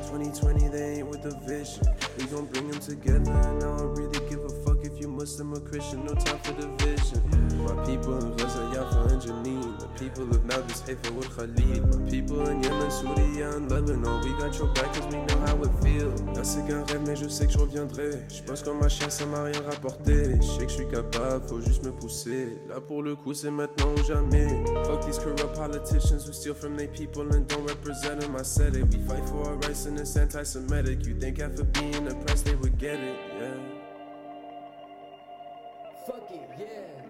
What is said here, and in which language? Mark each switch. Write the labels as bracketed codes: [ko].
[en] 2020, they ain't with the vision. We gon' bring them together, and I don't really give a fuck if you Muslim or Christian. No time for division. My people in Gaza, Yafa, and Janine. The people of Nablus, Haifa, with Khalid. My people in Yemen, Syria, and Lebanon. We got your back 'cause we know how it feels. [fr] Là c'est qu'un rêve, mais je sais que je reviendrai. Je pense qu'en ma chair, ça m'a rien rapporté. Je sais que je suis capable, faut juste me pousser. Là pour le coup, c'est maintenant ou jamais. [en] Fuck these corrupt politicians who steal from their people and don't represent them. I said it, we fight for our rights and it's anti-Semitic. You think after being oppressed they would get it, yeah. Fuck it, yeah.